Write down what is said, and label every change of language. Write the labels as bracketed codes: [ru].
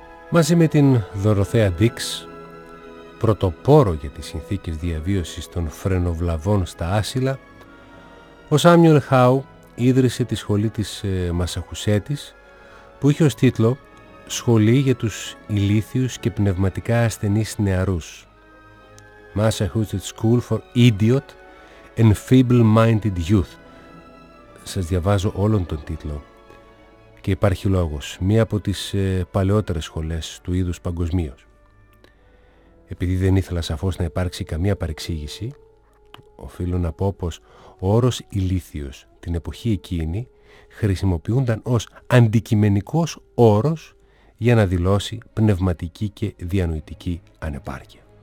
[el] Μαζί με την Δωροθέα Ντίξ, πρωτοπόρο για τις συνθήκες διαβίωσης των φρενοβλαβών στα άσυλα, ο Σάμιουελ Χάου ίδρυσε τη σχολή της Μασαχουσέτης, που είχε ως τίτλο «Σχολή για τους ηλίθιους και πνευματικά ασθενείς νεαρούς». [en] Massachusetts School for Idiot and Feeble-Minded Youth. [el] Σας διαβάζω όλον τον τίτλο. Και υπάρχει λόγος. Μία από τις παλαιότερες σχολές του είδους παγκοσμίως. Επειδή δεν ήθελα σαφώς να υπάρξει καμία παρεξήγηση, οφείλω να πω πως ο όρος ηλίθιος την εποχή εκείνη χρησιμοποιούνταν ως αντικειμενικός όρος για να δηλώσει πνευματική και διανοητική ανεπάρκεια.